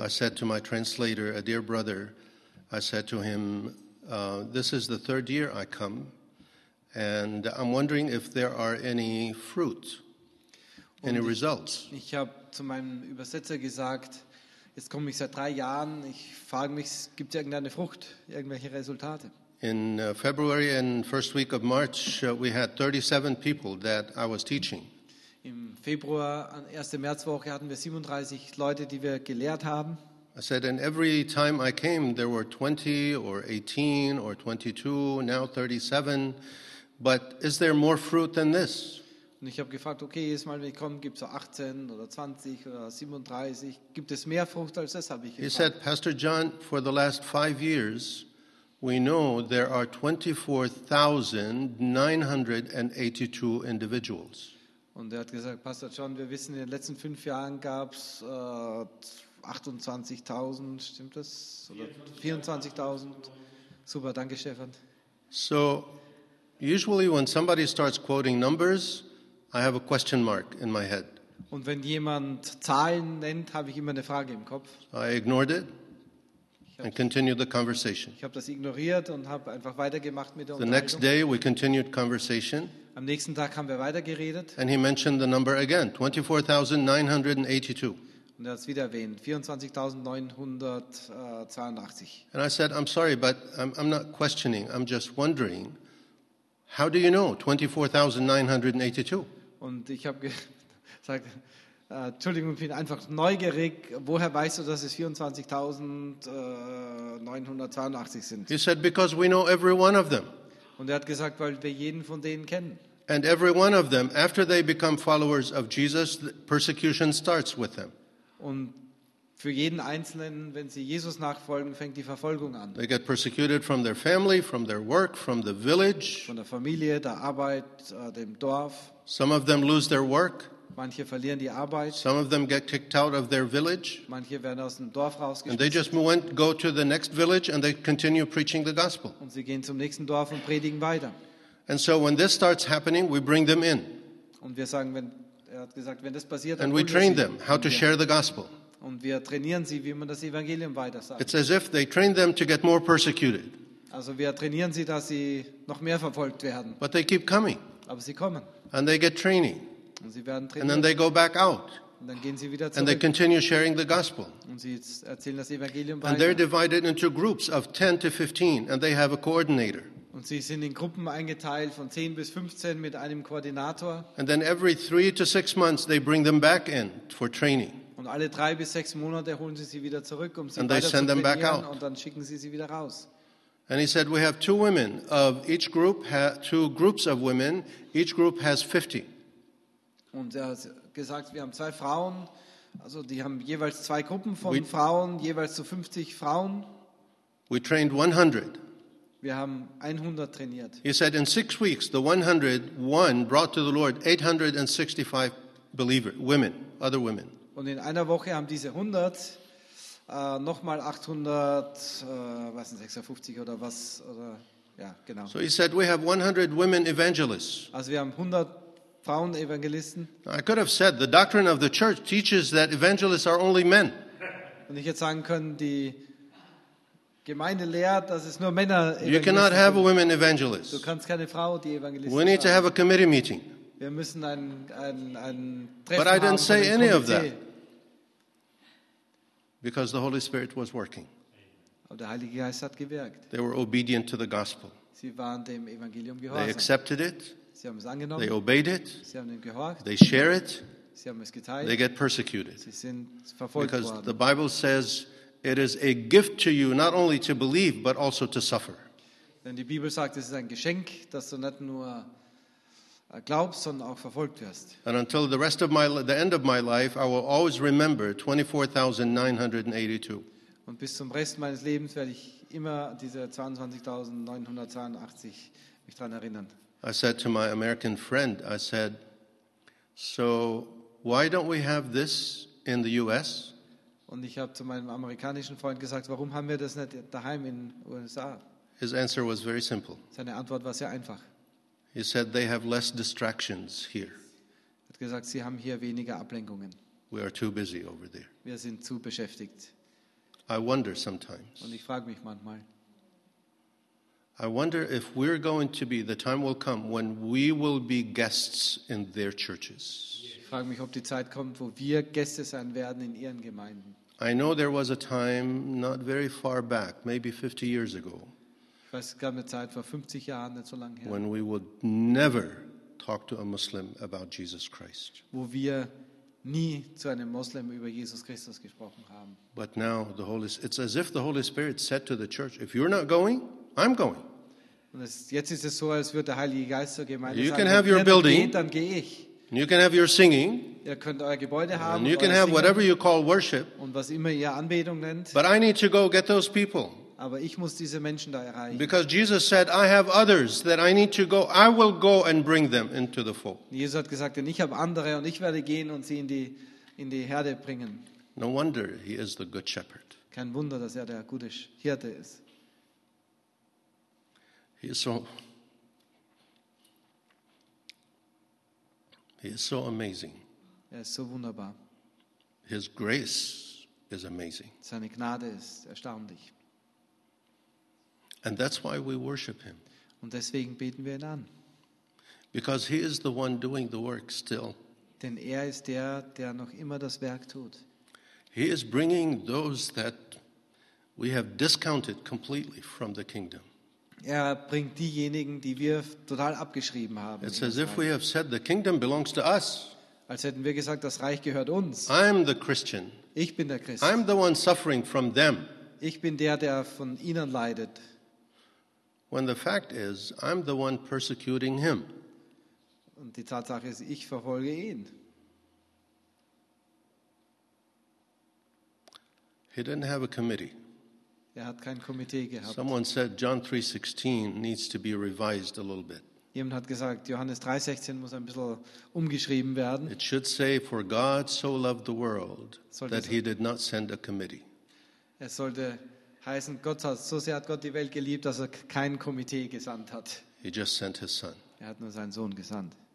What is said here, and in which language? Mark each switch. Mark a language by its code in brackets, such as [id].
[en] I said to my translator, a dear brother, I said to him, this is the third year I come, and I'm wondering if there are any fruit, any results. [de] Ich habe zu meinem Übersetzer gesagt, jetzt komme ich seit 3 Jahren, ich frage mich, gibt es irgendeine Frucht, irgendwelche Resultate? [en] In February and first week of March, we had 37 people that I was teaching. [de] Im Februar, erste Märzwoche, hatten wir 37 Leute, die wir gelehrt haben. [en] I said, and every time I came, there were 20 or 18 or 22, now 37. But is there more fruit than this? [de] Und ich habe gefragt, okay, jedes Mal, wenn ich komme, gibt es 18 oder 20 oder 37. Gibt es mehr Frucht als das, habe ich gefragt. [en] He said, Pastor John, for the last 5 years, we know there are 24,982 individuals. [de] Und er hat gesagt, Pastor John, wir wissen, in den letzten 5 Jahren gab es 28.000, stimmt das? Oder 24.000. Super, danke, Stefan. [en] So, usually when somebody starts quoting numbers, I have a question mark in my head. [de] Und wenn jemand Zahlen nennt, habe ich immer eine Frage im Kopf. [en] I ignored it. [de] Ich [en] and continued the conversation. [de] Ich habe das ignoriert und habe einfach weitergemacht mit der Unterhaltung. [en] The next day we continued conversation. [de] Am nächsten Tag haben wir weitergeredet. [en] And he mentioned the number again, 24,982. [de] Und er hat es wieder erwähnt, 24,982. [en] And I said, I'm sorry, but I'm not questioning, I'm just wondering, how do you know 24,982? [de] Und ich habe gesagt, Entschuldigung, ich bin einfach neugierig, woher weißt du, dass es 24,982 sind? [en] He said, because we know every one of them. [de] Und er hat gesagt, weil wir jeden von denen kennen. [en] And every one of them, after they become followers of Jesus, persecution starts with them. [de] Und für jeden Einzelnen, wenn sie Jesus nachfolgen, fängt die Verfolgung an. [en] They get persecuted from their family, from their work, from the village. [de] Von der Familie, der Arbeit, dem Dorf. [en] Some of them lose their work. [de] Manche verlieren die Arbeit. [en] Some of them get kicked out of their village. [de] Manche werden aus dem Dorf rausgeschmissen. [en] And they just went, go to the next village and they continue preaching the gospel. [de] Und sie gehen zum nächsten Dorf und predigen weiter. [en] And so when this starts happening, we bring them in. [de] Und wir sagen, wenn er hat gesagt, wenn das passiert, [en] and we train them how to share the gospel. [de] Und wir trainieren sie, wie man das Evangelium weiter sagt. [en] It's as if they train them to get more persecuted. [de] Also wir trainieren sie, dass sie noch mehr verfolgt werden. [en] But they keep coming. [de] Aber sie kommen. [en] And they get training. [de] Und sie werden trainiert. [en] And then they go back out. [de] Und dann gehen sie wieder zurück. [en] And they continue sharing the gospel. [de] Und sie erzählen das Evangelium weiter. [en] And they're divided into groups of 10 to 15 and they have a coordinator. [de] Und sie sind in Gruppen eingeteilt von 10 bis 15 mit einem Koordinator. [en] And then every 3 to 6 months they bring them back in for training. [de] Und alle 3 bis 6 Monate holen sie wieder zurück, um sie weiter zu trainieren, und dann schicken sie sie wieder raus. [en] And he said, we have two women of each group, two groups of women, each group has 50. [de] Und er hat gesagt, wir haben 2 Frauen, also die haben jeweils 2 Gruppen von Frauen, jeweils zu 50 Frauen. [en] We trained 100. [de] Wir haben 100 trainiert. [en] He said, in 6 weeks, the 101 brought to the Lord 865 believers, women, other women. [de] Und in einer Woche haben diese 100 nochmal 800, was sind 56 oder was, oder, ja, genau. [en] So he said, we have 100 women evangelists. [de] Also wir haben 100 Frauen Evangelisten. [en] I could have said, the doctrine of the church teaches that evangelists are only men. [de] Und ich hätte sagen können, die Gemeinde lehrt, dass es nur Männer Evangelisten. [en] You cannot have a woman evangelist. [de] Du kannst keine Frau, die Evangelisten. [en] We need to have a committee meeting. [de] Wir müssen ein Treffen haben. [en] But I didn't say any of that. Because the Holy Spirit was working. [de] Aber der Heilige Geist hat gewirkt. [en] They were obedient to the gospel. [de] Sie waren dem Evangelium gehorsam. [en] They accepted it. [de] Sie haben es angenommen. [en] They obeyed it. [de] Sie haben ihm gehorcht. [en] They share it. [de] Sie haben es geteilt. [en] They get persecuted. [de] Sie sind verfolgt [en] because [de] worden. [en] The Bible says it is a gift to you not only to believe but also to suffer. [de] Denn die Bibel sagt, es ist ein Geschenk, dass du nicht nur glaubst, sondern auch verfolgt wirst. [en] And until the rest of the end of my life, I will always remember 24,982. [de] Und bis zum Rest meines Lebens werde ich immer diese 22,982 mich daran erinnern. [en] I said to my American friend, I said, so why don't we have this in the US? [de] Und ich habe zu meinem amerikanischen Freund gesagt, warum haben wir das nicht daheim in USA? [en] His answer was very simple. [de] Seine Antwort war sehr einfach. [en] He said they have less distractions here. [de] Er hat gesagt, sie haben hier weniger Ablenkungen. [en] We are too busy over there. [de] Wir sind zu beschäftigt. [en] I wonder sometimes. [de] Und ich frage mich manchmal. [en] I wonder if we're going to be, the time will come when we will be guests in their churches. [de] Ich frage mich, ob die Zeit kommt, wo wir Gäste sein werden in ihren Gemeinden. [en] I know there was a time not very far back, maybe 50 years ago. [de] Ich weiß, es gab eine Zeit vor 50 Jahren, nicht so lange her. [en] When we would never talk to a Muslim about Jesus Christ. [de] Wo wir nie zu einem Muslim über Jesus Christus gesprochen haben. [en] But now the Holy, it's as if the Holy Spirit said to the church, if you're not going, I'm going. [de] Und jetzt ist es so, als würde der Heilige Geist zur Gemeinde [en] you [de] sagen, [en] can have your building, [de] geht, dann gehe ich. [en] You can have your singing. [de] Ihr könnt euer Gebäude haben. [en] And you can have whatever you call worship. [de] Und was immer ihr Anbetung nennt. [en] But I need to go get those people. [de] Aber ich muss diese Menschen da erreichen. [en] Because Jesus said, I have others that I need to go. I will go and bring them into the fold. [de] Jesus hat gesagt, denn ich habe andere und ich werde gehen und sie in die Herde bringen. [en] No wonder he is the good shepherd. [de] Kein Wunder, dass er der gute Hirte ist. [en] He is so amazing. [de] Er ist so wunderbar. [en] His grace is amazing. [de] Seine Gnade ist erstaunlich. [en] And that's why we worship him. [de] Und deswegen beten wir ihn an. [en] Because he is the one doing the work still. [de] Denn er ist der, der noch immer das Werk tut. [en] He is bringing those that we have discounted completely from the kingdom. [de] Er bringt diejenigen, die wir total abgeschrieben haben. [en] It's as if we have said the kingdom belongs to us. [de] Als hätten wir gesagt, das Reich gehört uns. [en] I'm the Christian. [de] Ich bin der Christ. [en] I'm the one suffering from them. [de] Ich bin der, der von ihnen leidet. [en] When the fact is, I'm the one persecuting him. [de] Und die Tatsache ist, ich verfolge ihn. [en] He didn't have a committee. [de] Er hat kein Komitee gehabt. [en] Someone said John 3:16 needs to be revised a little bit. [de] Jemand hat gesagt, Johannes 3:16 muss ein bisschen umgeschrieben werden. [en] It should say, for God so loved the world that he did not send a committee. [de] Es sollte heißen, Gott hat so sehr hat Gott die Welt geliebt, dass er kein Komitee gesandt hat. [en] He just sent his son. [de] Er hat nur seinen Sohn gesandt.